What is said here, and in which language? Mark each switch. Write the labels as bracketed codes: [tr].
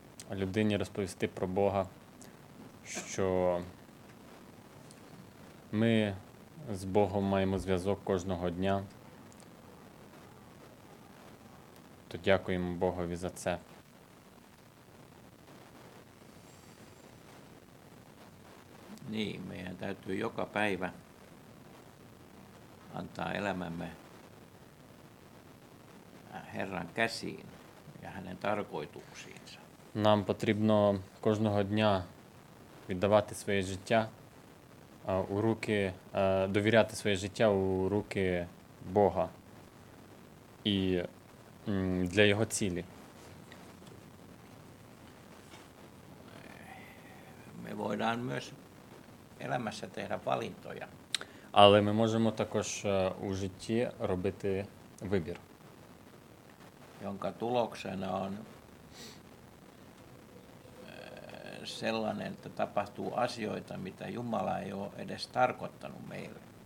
[uk] людині розповісти про Бога, що ми з Богом маємо зв'язок кожного дня, то дякуємо Богові за це. [fi] Niin, meidän täytyy joka päivä antaa elämämme Herran käsiin ja hänen tarkoituksiinsa. [uk] Нам потрібно кожного дня віддавати своє життя у руки, довіряти своє життя у руки Бога і для його цілі. [fi] Me voidaan myös elämässä tehdä valintoja. [uk] Але ми можемо також у житті робити вибір. [fi] Jonka tuloksena on sellainen, että tapahtuu asioita, mitä Jumala ei ole edes tarkoittanut meille.